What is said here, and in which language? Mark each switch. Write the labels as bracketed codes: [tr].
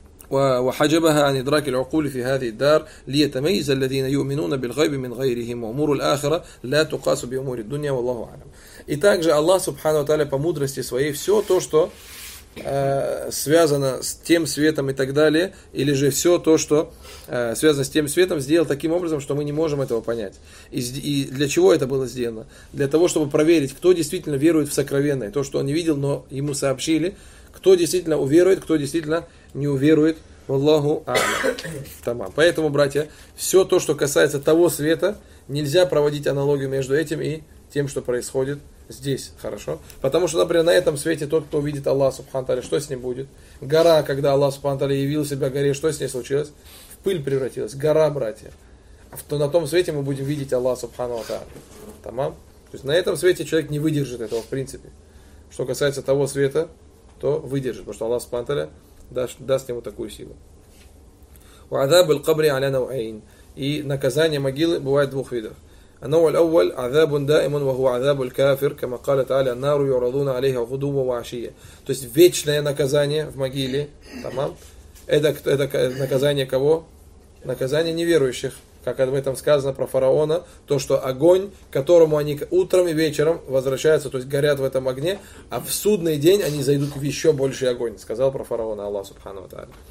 [ar] وحجبها عن إدراك العقول في هذه الدار ليتميز الذين يؤمنون بالغيب من غيرهم أمور الآخرة لا تقاس بأمور الدنيا والله أعلم. [ru] И также Аллах Субхану ва Тааля по мудрости своей все то, что связано с тем светом и так далее, или же все то, что связано с тем светом, сделал таким образом, что мы не можем этого понять. И для чего это было сделано? Для того, чтобы проверить, кто действительно верует в сокровенное, то, что он не видел, но ему сообщили, кто действительно уверует, кто действительно не уверует в Аллаху Алям. Поэтому, братья, все то, что касается того света, нельзя проводить аналогию между этим и тем, что происходит здесь. Хорошо? Потому что, например, на этом свете тот, кто увидит Аллаха Субхану Тааля, что с ним будет? Гора, когда Аллах Субхану Тааля явил себя горе, что с ней случилось? В пыль превратилась. Гора, братья. То на том свете мы будем видеть Аллаха Субхану Тааля. То есть на этом свете человек не выдержит этого, в принципе. Что касается того света, то выдержит, потому что Аллах Субхану Тааля даст ему такую силу. [ar] وعذاب القبر على نوعين. [ru] И наказание могилы бывает двух видов. [ar] النوع الأول عذاب دائم وهو عذاب الكافر كما قال تعالى النار يعرضون عليها غدوما وعشيا. [ru] То есть вечное наказание в могиле, тамам. Это наказание кого? Наказание неверующих, как об этом сказано про фараона, то что огонь, которому они утром и вечером возвращаются, то есть горят в этом огне, а в судный день они зайдут в еще больший огонь, сказал про фараона Аллах Субхану ва Тааля.